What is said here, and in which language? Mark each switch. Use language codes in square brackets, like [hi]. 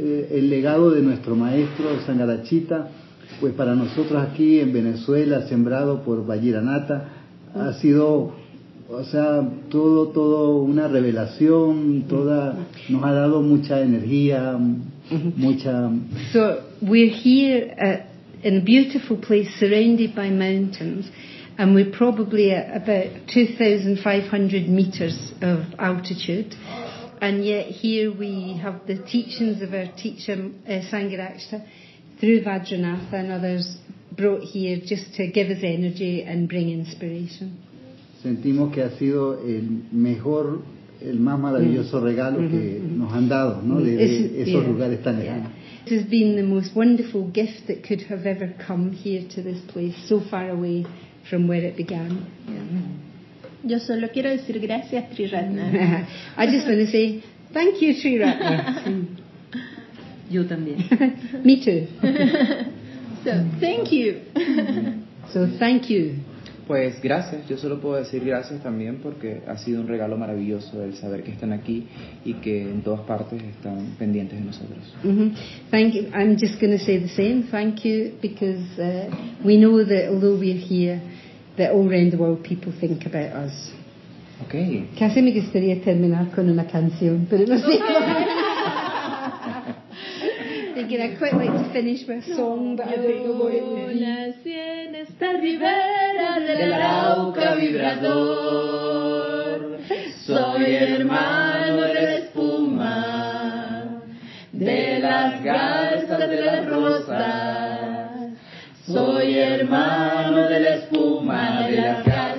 [es] El legado de nuestro maestro Sangharakshita, pues para nosotros aquí en Venezuela, sembrado por Vajiranata, ha sido, o sea, todo una revelación, toda, nos ha dado mucha energía, mucha. [en] So we're here in a beautiful place surrounded by mountains, and we're probably at about 2,500 meters of altitude. And yet here we have the teachings of our teacher Sangharakshita through Vajranatha and others brought here just to give us energy and bring inspiration. [es] Sentimos que ha sido el mejor, el más maravilloso regalo que nos han dado, ¿no? De esos lugares tan lejanos. [en] It has been the most wonderful gift that could have ever come here to this place, so far away from where it began. [es] Yo solo quiero decir gracias, Sri Ratna. [en] I just want to say thank you, Sri Ratna. [es] Yo también. [en] Me too. So, thank you. So, thank you. [es] Pues, gracias. Yo solo puedo decir gracias también porque ha sido un regalo maravilloso el saber que están aquí y que en todas partes están pendientes de nosotros. [en] Thank you. I'm just going to say the same. Thank you because we know that although we're here, that all around the world people think about us. Okay. [es] Casi me gustaría terminar con una canción, pero no sé. [en] Thinking I'd quite like to finish with a song, but [es] yo [en] I don't know what it would be. [es] Yo nací en esta ribera del Arauca vibrador. Soy hermano de la espuma, de las garzas, de las rosas. Soy hermano de la espuma de la...